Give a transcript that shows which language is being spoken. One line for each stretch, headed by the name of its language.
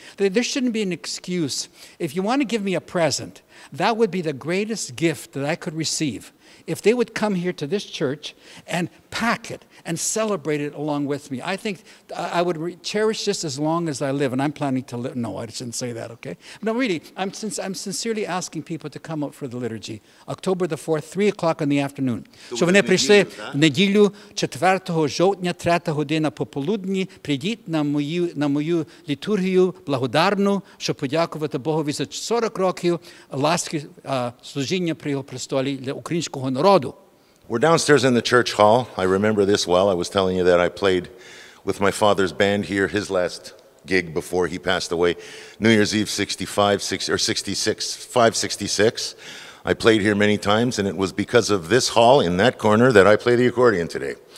English: There shouldn't be an excuse. If you want to give me a present, that would be the greatest gift that I could receive. If they would come here to this church and pack it and celebrate it along with me, I think I would cherish this as long as I live. And I'm planning to live. No, I shouldn't say that, okay? No, really, I'm sincerely asking people to come up for the liturgy. October the 4th, 3 o'clock in the afternoon.
Ukrainian: Щоб вони прийшли в неділю 4 жовтня, 3 година пополудні, прийдіть на мою літургію благодарну, щоб подякувати Богові за 40 років ласки служіння при Його престолі для українського народу.
English: We're downstairs in the church hall. I remember this well. I was telling you that I played with my father's band here, his last gig before he passed away, New Year's Eve 66. I played here many times, and it was because of this hall in that corner that I play the accordion today.